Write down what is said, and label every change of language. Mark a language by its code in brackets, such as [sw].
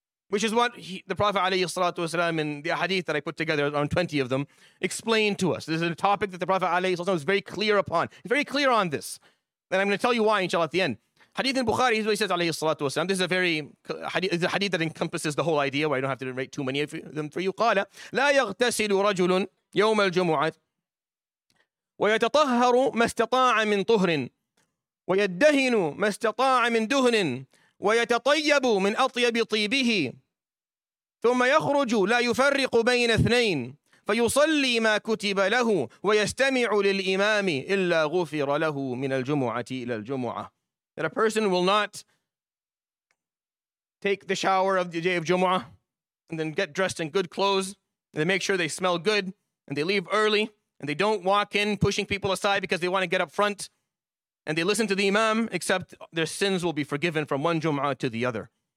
[en] Which is what the Prophet alayhi salatu wasalam in the hadith that I put together, around 20 of them, explained to us. This is a topic that the Prophet alayhi salatu wasalam is very clear upon. He's very clear on this. And I'm going to tell you why, inshallah, at the end. Hadith in Bukhari, he says alayhi salatu wasalam, this is a hadith that encompasses the whole idea, where I don't have to narrate too many of them for you. [ar] قال, لا يغتسل رجل يوم الجمعة ويتطهر ما استطاع من طهر ويدهن ما استطاع من دهن ويتطيب من أطيب طيبه ثم يخرج لا يفرق بين اثنين فيصلي ما كتب له ويستمع للإمام إلا غفر له من الجمعة إلى الجمعة. [en] That a person will not take the shower of the day of Jumu'ah and then get dressed in good clothes and they make sure they smell good and they leave early and they don't walk in pushing people aside because they want to get up front. And they listen to the imam, except their sins will be forgiven from one Jum'ah to the other.